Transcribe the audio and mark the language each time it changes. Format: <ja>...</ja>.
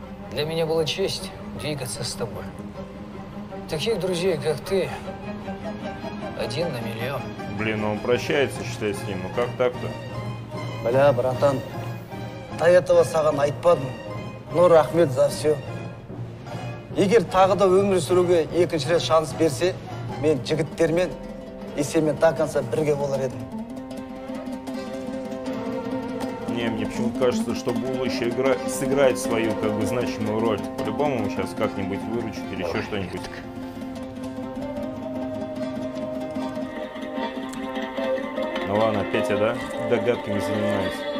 <ru>Для меня была честь двигаться с тобой. Таких друзей, как ты, один на миллион. Блин, он прощается, считай, с ним. Ну как так-то? Бля, братан, та этого</ru> <kk>саған айтпадым.</kk> <ru>Ну, рахмет за все.</ru> <kk>Егер тағы да өмір сүруге екінші рет шанс берсе, мен жігіттермен и сенмен</kk> <ru>до конца</ru> <kk>бірге болар едім.</kk> <ru>Не, мне почему-то кажется, что Булы еще сыграет свою как бы значимую роль. По-любому сейчас как-нибудь выручит или еще что-нибудь. Ну ладно, Петя, да? Догадками занимаюсь.</ru>